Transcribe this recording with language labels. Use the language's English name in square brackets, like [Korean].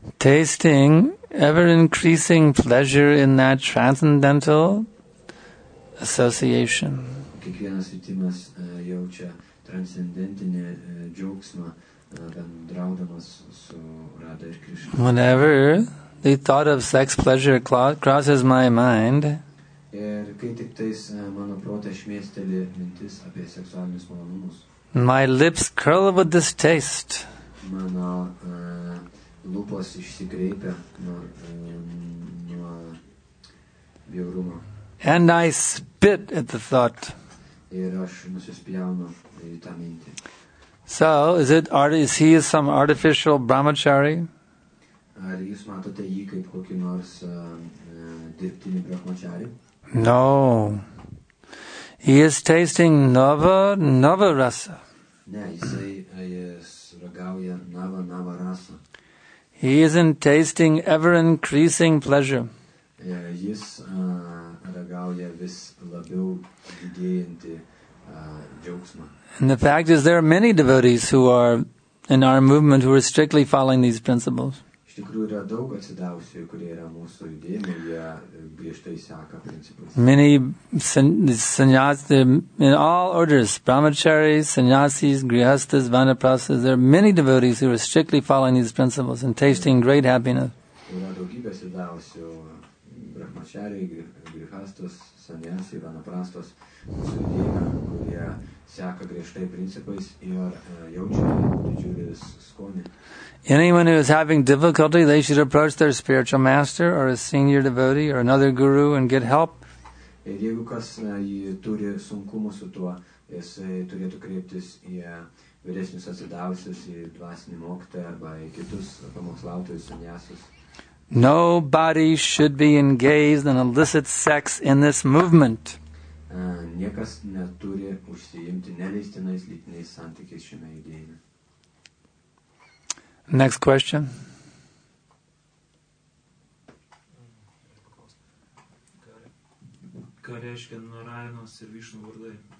[English] Tasting ever-increasing pleasure in that transcendental association. [Lithuanian] Kiekvienas jutimas jaučia transcendentinį džiaugsmą bendraudamas su Radai ir Krishnai. [English] Whenever the thought of sex pleasure crosses my mind, [Lithuanian] ir kai tik tais mano protė šmėsteli mintis apie seksualinius malonumus, [English] my lips curl with this taste. [Lithuanian] Mano lūpos išsikreipia nuo bjaurumo. [English] And I spit at the thought. [Lithuanian] Ir aš nusispjaunu į tą mintį. [English] So, is he some artificial brahmachari? [Lithuanian] Ar jūs matote jį kaip kokį nors dirbtinį brahmachari? [English] No. He is tasting nava rasa. [Lithuanian] Ne, jis ragauja nava rasa. [English] He isn't tasting ever increasing pleasure. [Lithuanian] jis ragauja vis labiau didėjantį džiaugsmą. [English] And the fact is there are many devotees who are in our movement who are strictly following these principles. [Lithuanian] Iš tikrųjų yra daug atsidavusių, kurie yra mūsų judėjime, jie griežtai seka principus. [English] Many sannyasis, in all orders, brahmacharis, sannyasis, grihastas, vanaprasas, there are many devotees who are strictly following these principles and tasting great happiness. [Lithuanian] Yra daugybė atsidavusių, brahmacharis, grihastas, sannyasis, vanaprasas, mūsų judėjime, kurie seka griežtai principais ir jaučia didžiulis skonį. [English] Anyone who is having difficulty, they should approach their spiritual master or a senior devotee or another guru and get help. [Lithuanian] Ir jeigu kas turi sunkumų su tuo, jisai turėtų kreiptis į vyresnius atsidavusius, į dvasinį mokytą arba į kitus pamokslautojus, sanjasius. [English] Nobody should be engaged in illicit sex in this movement. [Lithuanian] Niekas neturi užsiimti neleistinais lytiniais santykiais šiame judėjime. [English] Next question. [Lithuanian] Ką reiškia Narainos ir Višnų vardai?